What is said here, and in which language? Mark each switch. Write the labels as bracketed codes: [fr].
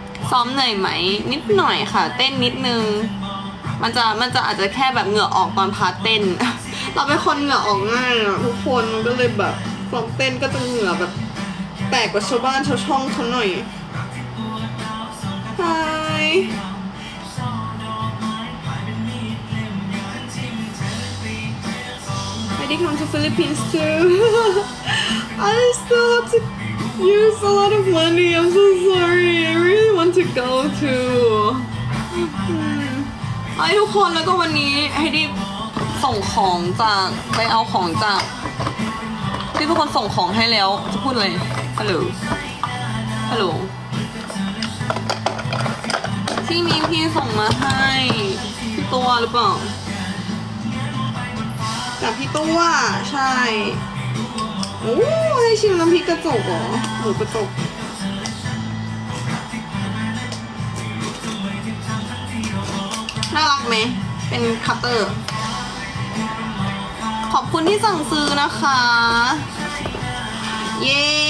[th] ซ้อมเหนื่อยไหมนิดหน่อยค่ะเต้นนิดนึงมันจะอาจจะแค่แบบเหงื่อออกตอนพาร์ทเต้นเราเป็นคนเหงื่อออกง่ายอ่ะทุกคนก็เลยแบบซ้อมเต้นก็จะเหงื่อแบบแตกกว่าชาวบ้านชาวช่องเขาหน่อยไปไปดิ [en] come to Philippines too I still have toUse a lot of money. I'm so sorry. I really want to go too. [th] Hi, ทุกคนแล้วก็วันนี้ให้ดิส่งของจากไปเอาของจากพี่ทุกคนส่งของให้แล้วจะพูดอะไรฮัลโหล ที่มีพี่ส่งมาให้พี่ตัวหรือเปล่าจากพี่ตัวใช่โอ้ให้ชิมน้ำพริกกระจกเหรอหมูกระจกน่ารักไหมเป็นคัตเตอร์ขอบคุณที่สั่งซื้อนะคะเย้